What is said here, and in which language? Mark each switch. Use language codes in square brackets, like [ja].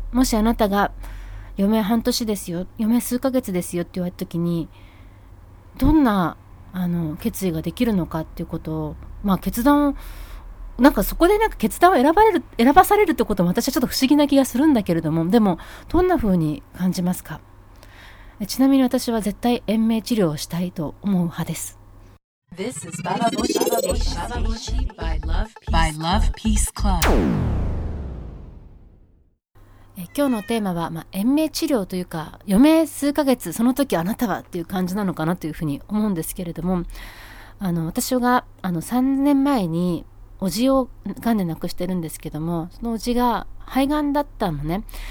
[ja] もしあなたが余命半年ですよ、余命数ヶ月ですよって言われた時にどんなあの決意ができるのかっていうことを、まあ決断をなんかそこでなんか決断を選ばされるってことも私はちょっと不思議な気がするんだけれども、でもどんなふうに感じますか。ちなみに私は絶対延命治療をしたいと思う派です。 [en] This is Baba Boshi, Baba Boshi, Baba Boshi by Love Peace Club. [ja] 今日のテーマは、まあ、延命治療というか余命数ヶ月、その時あなたはっていう感じなのかなというふうに思うんですけれども、あの私があの3年前におじをがんで亡くしてるんですけども、そのおじが肺がんだったのね。